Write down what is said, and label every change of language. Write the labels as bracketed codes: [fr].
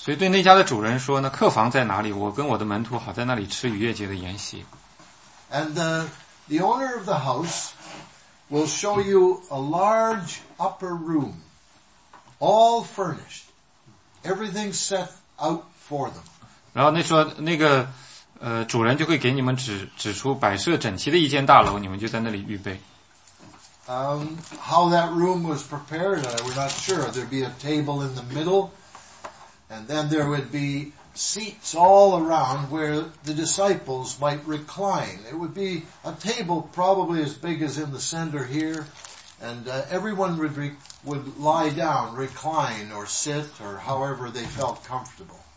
[zh] 所以对那家的主人说呢，客房在哪里？我跟我的门徒好在那里吃逾越节的筵席。 [en] And the owner of the house will show you a large upper room, all furnished, everything set out for them. [zh] 然后那说那个主人就会给你们指出摆设整齐的一间大楼，你们就在那里预备。 [en] How that room was prepared, we're not sure. There'd be a table in the middle, and then there would be seats all around where the disciples might recline. It would be a table probably as big as in the center here, and everyone would lie down, recline or sit or however they felt comfortable.